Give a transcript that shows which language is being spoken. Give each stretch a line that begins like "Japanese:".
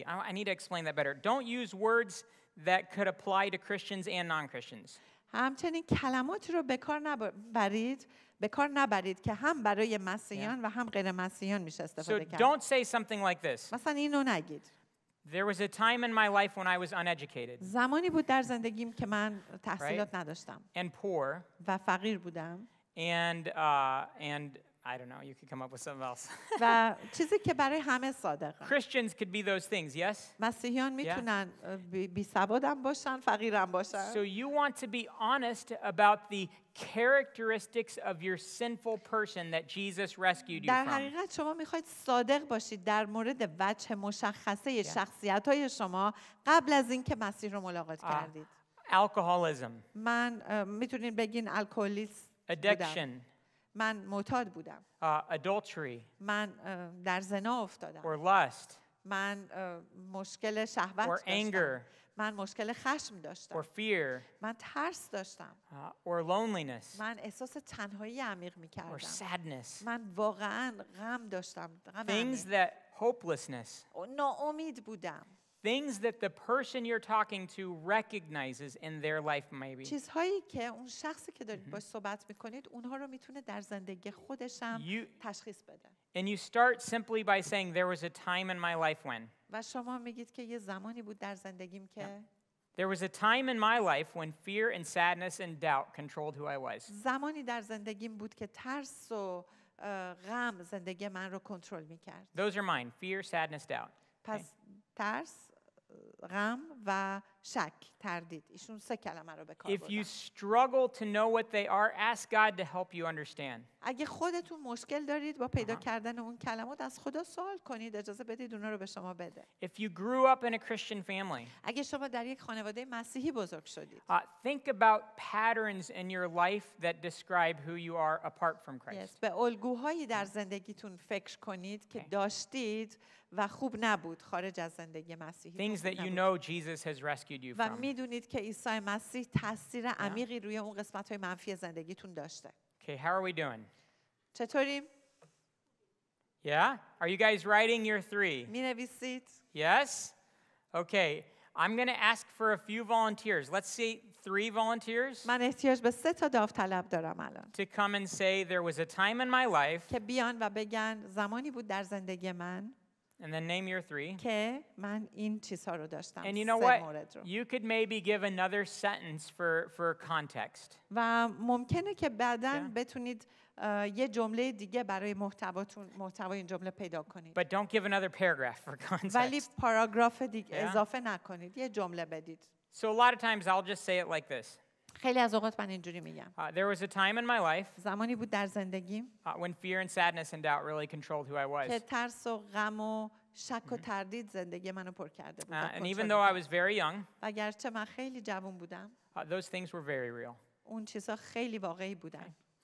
English: I need to explain that better. Don't use words that could apply to Christians and non-Christians.
Persian: همچنین کلماتی رو به کار نبرید. به کار نبرید که هم برای مسیحیان و هم غیر مسیحیان میشه استفاده کرد.
English: So don't say something like this.
Persian: مثلا اینو نگید.
English: There was a time in my life when I was uneducated.
Persian: زمانی بود در زندگیم که من تحصیلات نداشتم.
English: And poor.
Persian: و فقیر بودم.
English: And I don't know, you could come up with something else.
Persian: و چیزی که برای همه صادقه.
English: Christians could be those things, yes?
Persian: مسیحیان میتونن بی سوادم باشن، فقیرم باشن.
English: So you want to be honest about the characteristics of your sinful person that Jesus rescued you
Persian: در حقیقت شما میخواید صادق باشید در مورد وجه مشخصه شخصیت‌های شما قبل از اینکه مسیح رو ملاقات کردید.
English: Alcoholism.
Persian: من میتونین بگین الکلیست بودم.
English: Addiction.
Persian: من معتاد بودم.
English: Adultery.
Persian: من در زنا افتادم.
English: Or lust.
Persian: من مشکل شهوت داشتم.
English: Or anger.
Persian: من مشکل خشم داشتم.
English: Or fear.
Persian: من ترس داشتم.
English: Or loneliness.
Persian: من احساس تنهایی عمیق می‌کردم.
English: Or sadness.
Persian: من واقعا غم داشتم.
English: Things that hopelessness.
Persian: ناامید بودم.
English: Things that the person you're talking to recognizes in their life, maybe.
Persian: چیزهایی که اون شخصی که دارید باهاش صحبت میکنید، اونها رو میتونه در زندگی خودش هم تشخیص بده.
English: And you start simply by saying, "There was a time in my life when."
Persian: و شما میگید که یه زمانی بود در زندگیم که.
English: There was a time in my life when fear and sadness and doubt controlled who I was.
Persian: زمانی در زندگیم بود که ترس و غم زندگی من رو کنترل میکرد.
English: Those are mine: fear, sadness, doubt.
Persian: پس ترس غم و شک تردید ایشون سه کلمه رو به کار بردن.
English: If you struggle to know what they are, ask God to help you understand.
Persian: اگه خودتون مشکل دارید با پیدا کردن اون کلمات از خدا سوال کنید اجازه بدید اونا رو به شما بده.
English: If you grew up in a Christian family.
Persian: اگه شما در یک خانواده مسیحی بزرگ شدید.
English: Think about patterns in your life that describe who you are apart from Christ.
Persian: Yes, به الگوهایی در زندگیتون فکر کنید که داشتید و خوب نبود خارج از زندگی مسیحی.
English: Things that you know Jesus has rescued you from.
Persian: و میدونید که عیسی مسیح تاثیر عمیقی روی اون قسمت‌های منفی زندگیتون داشته.
English: Okay, how are we doing?
Persian: چطوریم؟
English: Yeah? Are you guys writing your 3?
Persian: می‌نویسید؟
English: Yes? Okay. I'm going to ask for a few volunteers. Let's say 3 volunteers.
Persian: من احتیاج به 3 تا داوطلب دارم الان.
English: To come and say there was a time in my life.
Persian: که بیان و بگن زمانی بود در زندگی من.
English: And then name your 3.
Persian: که من این چیزها رو داشتم.
English: And you know what? You could maybe give another sentence for context.
Persian: و ممکنه که بعداً بتونید یه جمله دیگه برای محتواتون محتوای این جمله پیدا کنید.
English: But don't give another paragraph for context.
Persian: ولی پاراگراف دیگه اضافه نکنید. یه جمله بدید.
English: So a lot of times I'll just say it like this.
Persian: خیلی از اوقات من اینجوری میگم.
English: There was a time in my life.
Persian: زمانی بود در زندگی.
English: When fear and sadness and doubt really controlled who I was.
Persian: که ترس و غم و شک و تردید زندگی منو پر کرده بود.
English: And even though I was very young.
Persian: اگرچه من خیلی جوان بودم.
English: Those things were very real.
Persian: اون چیزها خیلی واقعی بودن.